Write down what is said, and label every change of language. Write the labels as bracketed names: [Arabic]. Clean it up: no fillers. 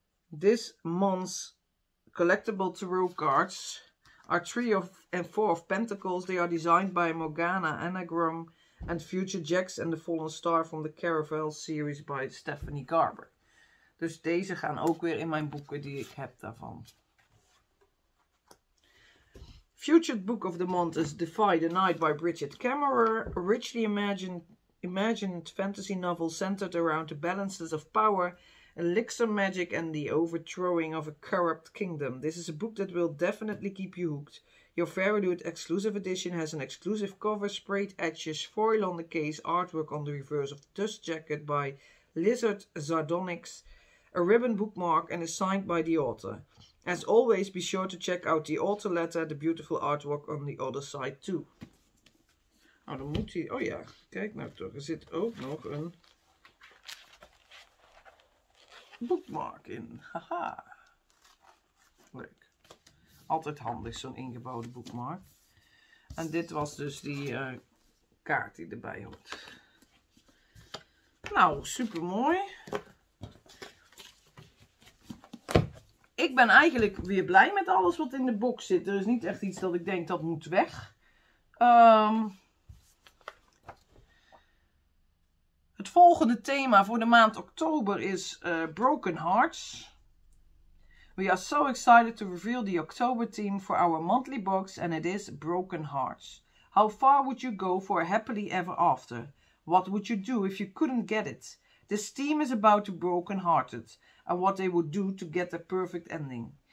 [English] This month's collectible tarot cards are three of and four of pentacles. They are designed by Morgana Anagram and Future Jacks and the Fallen Star from the Caravelle series by Stephanie Garber. [Dutch] Dus deze gaan ook weer in mijn boeken die ik heb daarvan. [English] Future Book of the Month is Defy the Night by Bridget Cameron. A richly imagined fantasy novel centered around the balances of power, elixir magic and the overthrowing of a corrupt kingdom. This is a book that will definitely keep you hooked. Your Faerudute exclusive edition has an exclusive cover, sprayed edges, foil on the case, artwork on the reverse of the dust jacket by Lizard Zardonyx, a ribbon bookmark and is signed by the author. As always, be sure to check out the author letter, the beautiful artwork on the other side too. [Dutch] Nou, dan moet hij... Oh ja, kijk nou toch. Er zit ook nog een bookmark in. Haha. Leuk. Altijd handig, zo'n ingebouwde bookmark. En dit was dus die kaart die erbij hoort. Nou, super mooi. Ik ben eigenlijk weer blij met alles wat in de box zit. Er is niet echt iets dat ik denk dat moet weg. Het volgende thema voor de maand oktober is Broken Hearts. [English] We are so excited to reveal the October theme for our monthly box and it is Broken Hearts. How far would you go for a happily ever after? What would you do if you couldn't get it? This theme is about the broken hearted and what they would do to get a perfect ending.